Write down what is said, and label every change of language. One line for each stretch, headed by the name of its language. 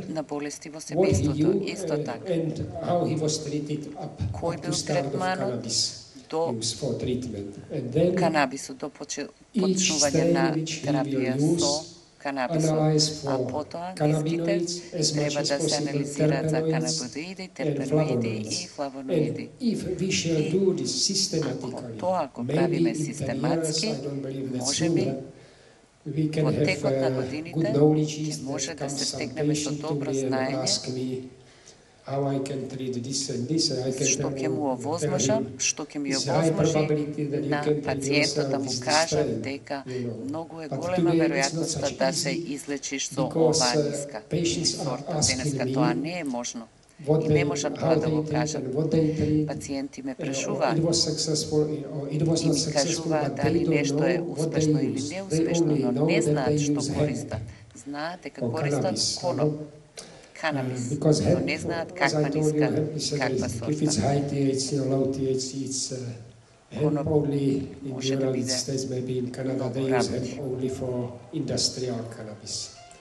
Macedonian: на болести во семејството исто така.
English: And how he was treated up кој бил третманот
Macedonian: до
English: for treatment. And then
Macedonian: канабисот до почнување на терапија со
English: analyze for cannabinoids as much as possible, terpenoids, and flavonoids. And if we shall do this systematically, maybe in 10 years, I don't believe that's true, we can have good knowledge that comes some patient to me and ask me how I can treat this and this, and I can tell him it's high probability that you can treat yourself with this strain. But today it's not such easy, because patients are asking me,
Macedonian: и не можам тоа да го кажам. Пациенти ме прашуваат и ми кажуваат дали нешто е успешно или неуспешно, но не знаат што користат. Знаат дека користат коноп. Канабис, но не знаат каква ниска, каква сорта.
English: If it's high THC or low THC, it's hemp only in the United States, maybe in Canada, they use hemp only for industrial cannabis.